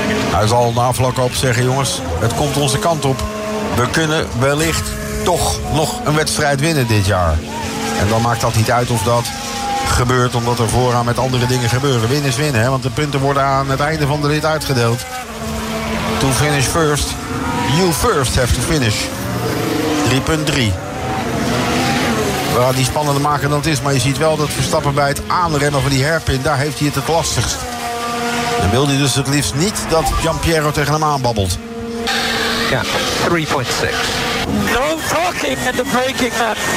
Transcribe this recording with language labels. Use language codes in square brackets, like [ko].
[nl] Hij zal na afloop op zeggen, jongens, het komt onze kant op. We kunnen wellicht toch nog een wedstrijd winnen dit jaar. En dan maakt dat niet uit of dat gebeurt, omdat er vooraan met andere dingen gebeuren. Winnen is winnen, hè? Want de punten worden aan het einde van de rit uitgedeeld. [en] To finish first, you first have to finish. [nl] 3,3. We gaan die spannender maken dan het is, maar je ziet wel dat Verstappen bij het aanremmen van die herpin, daar heeft hij het lastigst. Dan wil hij dus het liefst niet dat Giampiero tegen hem aanbabbelt. Ja, 3,6. [en] No talking at the braking, man.